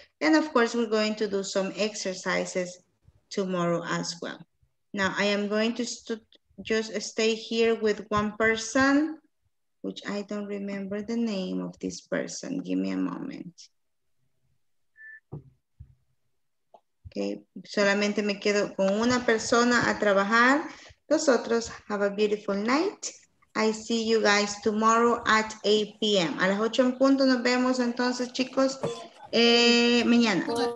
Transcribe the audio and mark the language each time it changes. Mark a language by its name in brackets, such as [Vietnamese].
[English] And of course, we're going to do some exercises tomorrow as well. Now, I am going to just stay here with one person. which I don't remember the name of this person. Give me a moment. [Spanish] Okay, solamente me quedo con una persona a trabajar. Los otros, [English] have a beautiful night. I see you guys tomorrow at 8 p.m. [Spanish] A las 8 en punto nos vemos entonces, chicos, mañana.